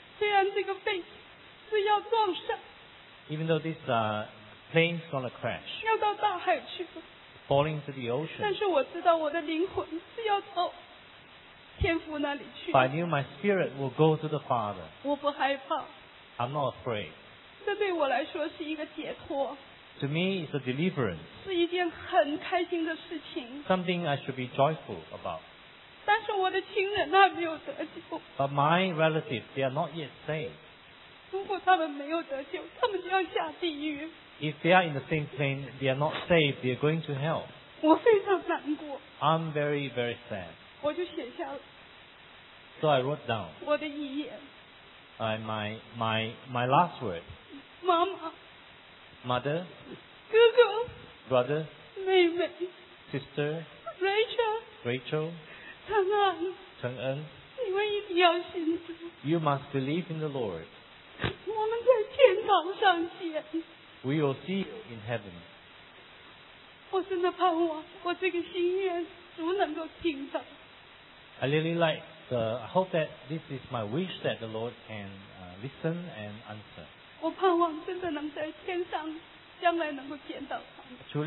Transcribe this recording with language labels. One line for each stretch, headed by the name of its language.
Chinese: 虽然这个飞机是要撞上。
English: Even though this plane is gonna crash.
Chinese: 要到大海去。
English: Falling to the ocean.
Chinese: 但是我知道我的灵魂是要走。天父那里去。
English: But I knew my spirit will go to the Father.
Chinese: 我不害怕。
English: I'm not afraid.
Chinese: 这对我来说是一个解脱。
English: To me, it's a deliverance.
Chinese: 是一件很开心的事情。
English: Something I should be joyful about.
Chinese: 但是我的亲人他没有得救。
English: But my relatives, they are not yet saved.
Chinese: 如果他们没有得救，他们就要下地狱。
English: If they are in the same plane, they are not saved, they are going to hell.
Chinese: 我非常难过。
English: I'm very, very sad.
Chinese: 我就写下了。
English: So I wrote down.
Chinese: 我的遗言。
English: My last word.
Chinese: 妈妈。
English: Mother.
Chinese: 哥哥。
English: Brother.
Chinese: 妹妹。
English: Sister.
Chinese: Rachel.
English: Rachel.
Chinese: 陈恩。
English: 陈恩。
Chinese: 你们一定要信主。
English: You must believe in the Lord.
Chinese: 我们在天堂上见。
English: We will see you in heaven.
Chinese: 我真的盼望我这个心愿主能够听到。
English: I really like the, I hope that this is my wish that the Lord can listen and answer.
Chinese: 我盼望真的能在天上将来能够见到他们。